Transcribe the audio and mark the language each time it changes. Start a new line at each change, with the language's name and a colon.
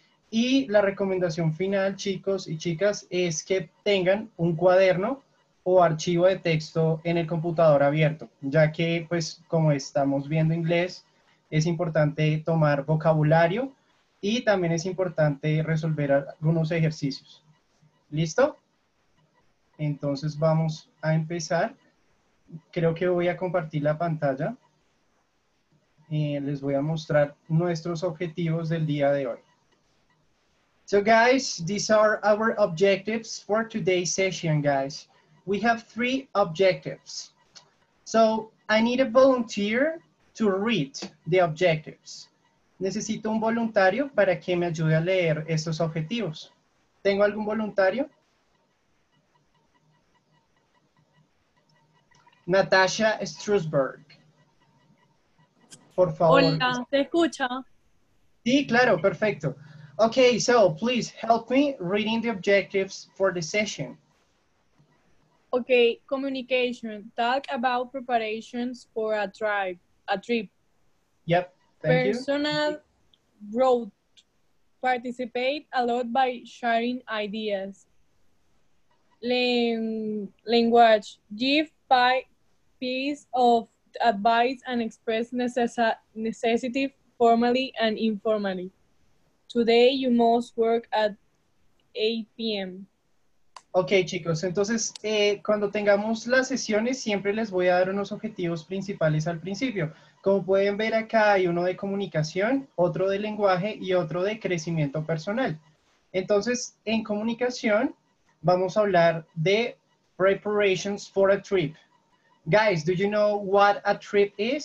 Spanish: Y la recomendación final, chicos y chicas, es que tengan un cuaderno o archivo de texto en el computador abierto, ya que, pues, como estamos viendo inglés, es importante tomar vocabulario y también es importante resolver algunos ejercicios. ¿Listo? Entonces vamos a empezar. Creo que voy a compartir la pantalla. Les voy a mostrar nuestros objetivos del día de hoy.
English: So guys, these are our objectives for today's session, guys. We have three objectives. So I need a volunteer to read the objectives.
Spanish: Necesito un voluntario para que me ayude a leer estos objetivos. ¿Tengo algún voluntario? Natasha Strasberg. Por favor. Hola, ¿se escucha? Sí, claro, perfecto.
English: Ok, so please help me reading the objectives for the session. Ok, communication. Talk about preparations for a drive, a trip. Yep, thank you. Personal growth. Participate a lot by sharing ideas. Language. Give piece of advice and express necessity formally and informally. Today you must work at 8 p.m.
Spanish: Ok, chicos, entonces cuando tengamos las sesiones siempre les voy a dar unos objetivos principales al principio. Como pueden ver acá hay uno de comunicación, otro de lenguaje y otro de crecimiento personal. Entonces, en comunicación vamos a hablar de
English: preparations for a trip. Guys, do you know what a trip is?